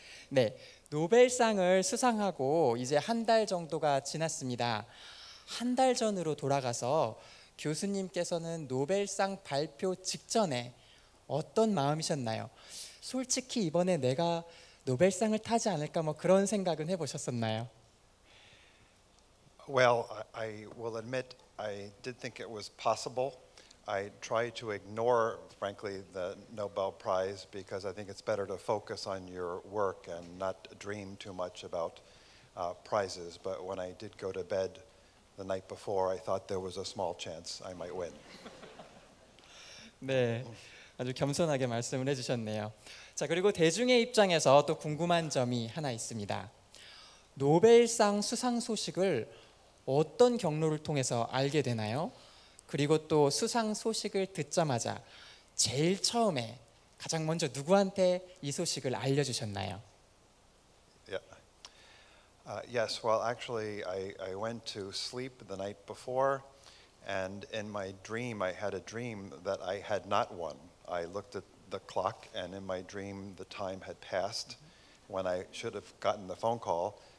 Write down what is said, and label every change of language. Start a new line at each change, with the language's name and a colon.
Korean: 네, 노벨상을 수상하고 이제 한 달 정도가 지났습니다. 한 달 전으로 돌아가서 교수님께서는 노벨상 발표 직전에 어떤 마음이셨나요? 솔직히 이번에 내가 노벨상을 타지 않을까 뭐 그런 생각은 해보셨었나요?
English: Well, I will admit I did think it was possible. I tried to ignore, frankly, the Nobel Prize because I think it's better to focus on your work and not dream too much about prizes. But when I did go to bed the night before, I thought there was a small chance I might win.
Korean: 네, 아주 겸손하게 말씀을 해주셨네요. 자, 그리고 대중의 입장에서 또 궁금한 점이 하나 있습니다. 노벨상 수상 소식을 어떤 경로를 통해서 알게 되나요? 그리고 또 수상 소식을 듣자마자 제일 처음에 가장 먼저 누구한테 이 소식을 알려주셨나요?
English: Yes, well, actually, I went to sleep the night before, and in my dream, I had a dream that I had not won. I looked at the clock, and in my dream, the time had passed when I should have gotten the phone call.